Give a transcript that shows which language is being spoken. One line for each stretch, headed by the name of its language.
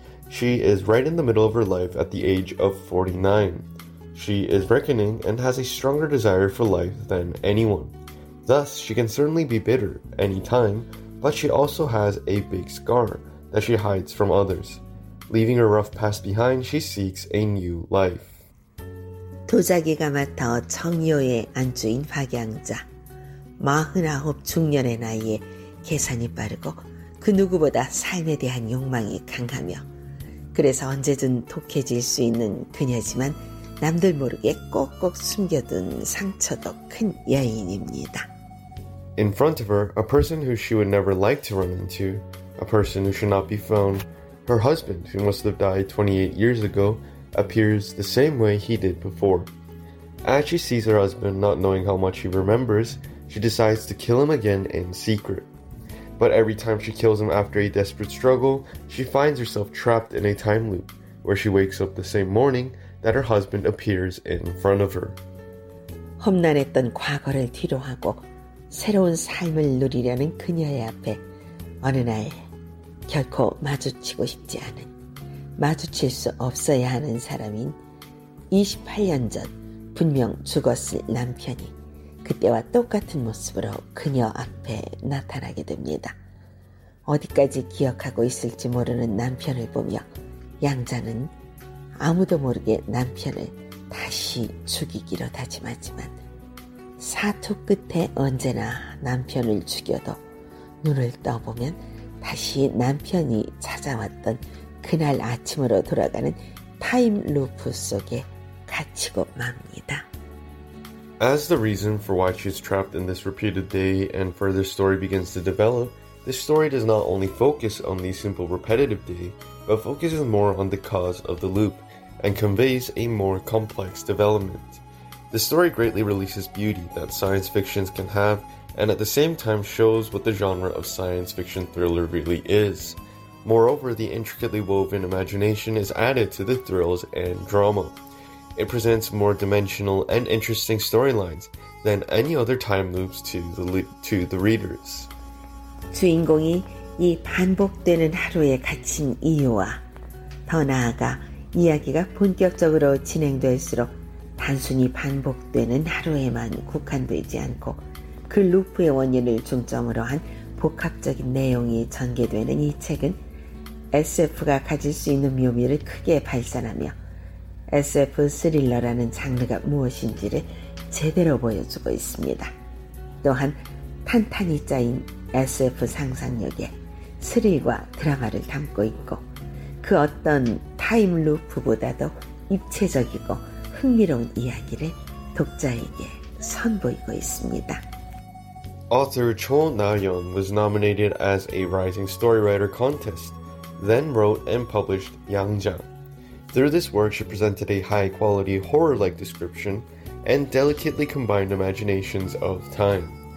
English: She is right in the middle of her life at the age of 49. She is reckoning and has a stronger desire for life than anyone. Thus, she can certainly be bitter anytime, but she also has a big scar that she hides from others. Leaving her rough past behind, she seeks a new life.
Korean: 도자기가 맡아 청요에 앉은 박양자 마흔아홉 중년의 나이에 계산이 빠르고 그 누구보다 삶에 대한 욕망이 강하며 그래서 언제든 독해질 수 있는 그녀지만 남들 모르게 꼭꼭 숨겨둔 상처도 큰 여인입니다.
English: In front of her, a person who she would never like to run into, a person who should not be found, her husband, who must have died 28 years ago, appears the same way he did before. As she sees her husband, not knowing how much he remembers, she decides to kill him again in secret. But every time she kills him after a desperate struggle, she finds herself trapped in a time loop, where she wakes up the same morning that her husband appears in front of her.
Korean: 험난했던 과거를 뒤로하고 새로운 삶을 누리려는 그녀의 앞에 어느 날 결코 마주치고 싶지 않은, 마주칠 수 없어야 하는 사람인 28년 전 분명 죽었을 남편이 그때와 똑같은 모습으로 그녀 앞에 나타나게 됩니다. 어디까지 기억하고 있을지 모르는 남편을 보며 양자는 아무도 모르게 남편을 다시 죽이기로 다짐하지만 사투 끝에 언제나 남편을 죽여도 눈을 떠보면 다시 남편이 찾아왔던 그날 아침으로 돌아가는 타임루프 속에 갇히고 맙니다.
English: As the reason for why she's trapped in this repeated day and further story begins to develop, this story does not only focus on the simple repetitive day, but focuses more on the cause of the loop and conveys a more complex development. The story greatly releases beauty that science fiction can have and at the same time shows what the genre of science fiction thriller really is. Moreover, the intricately woven imagination is added to the thrills and drama. It presents more dimensional and interesting storylines than any other time loops to the readers.
Korean: 주인공이 이 반복되는 하루에 갇힌 이유와 더 나아가 이야기가 본격적으로 진행될수록 단순히 반복되는 하루에만 국한되지 않고 그 루프의 원인을 중점으로 한 복합적인 내용이 전개되는 이 책은 SF가 가질 수 있는 묘미를 크게 발산하며 SF 스릴러라는 장르가 무엇인지를 제대로 보여주고 있습니다. 또한 탄탄히 짜인 SF 상상력에 스릴과 드라마를 담고 있고 그 어떤 타임 루프보다도 입체적이고 흥미로운 이야기를 독자에게 선보이고 있습니다.
English: Author Cho Na-yeon was nominated as a Rising Storywriter Contest, then wrote and published Yangja. Through this work, she presented a high-quality horror-like description and delicately combined imaginations of time.